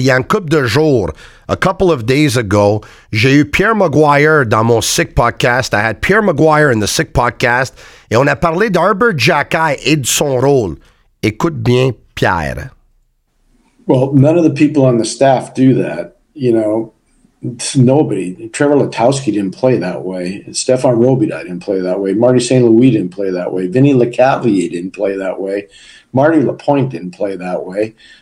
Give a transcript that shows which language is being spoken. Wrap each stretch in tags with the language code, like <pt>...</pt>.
<fr>Il y a un couple de jours,</fr> <en>a couple of days ago,</en> <fr>j'ai eu Pierre Maguire dans mon Sick Podcast.</fr> <en>I had Pierre Maguire in the Sick Podcast.</en> <fr>Et on a parlé d'Herbert Jacquet et de son rôle. Écoute bien, Pierre.</fr> <en>Well, none of the people on the staff do that. You know, nobody. Trevor Letowski didn't play that way. Stefan Robidoux didn't play that way. Marty St. Louis didn't play that way. Vinny Lecavalier didn't play that way. Marty Lapointe didn't play that way.</en>